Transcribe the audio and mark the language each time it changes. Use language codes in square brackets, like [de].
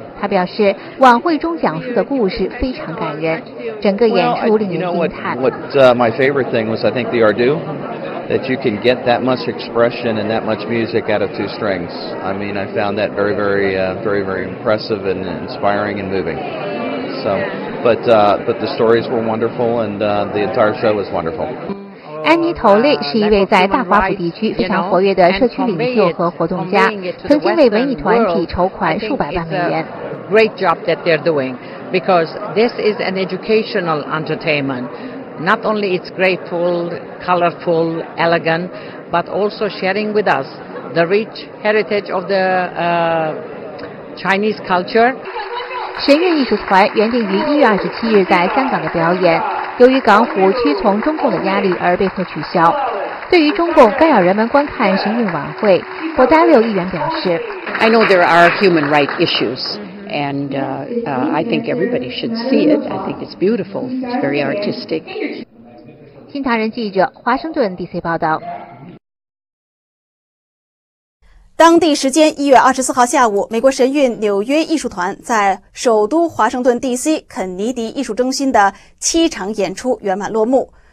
[zh] 他表示，晚会中讲述的故事非常感人，整个演出令人惊叹。 [en] My favorite thing was, I think, the Ardu, that you can get that much expression and that much music out of two strings. I mean, I found that very, very, very, very impressive and inspiring and moving. So, but the stories were wonderful and the entire show was wonderful. [zh] 安妮·头雷是一位在大华府地区非常活跃的社区领袖和活动家，曾经为文艺团体筹款数百万美元。 [en] Great job that they're doing, because this is an educational entertainment. Not only it's graceful, colorful, elegant, but also sharing with us the rich heritage of the Chinese culture. [zh] 神韵艺术团原定于1月27日在香港的表演。由于港府屈从中共的压力而被迫取消，对于中共干扰人们观看神韵晚会，博达柳议员表示 [en] I know there are human rights issues and I think everybody should see it. I think it's beautiful. It's very artistic. [zh] 新唐人记者华盛顿 DC 报道。当地时间1月24号下午，美国神韵纽约艺术团在首都华盛顿 DC 肯尼迪艺术中心的七场演出圆满落幕。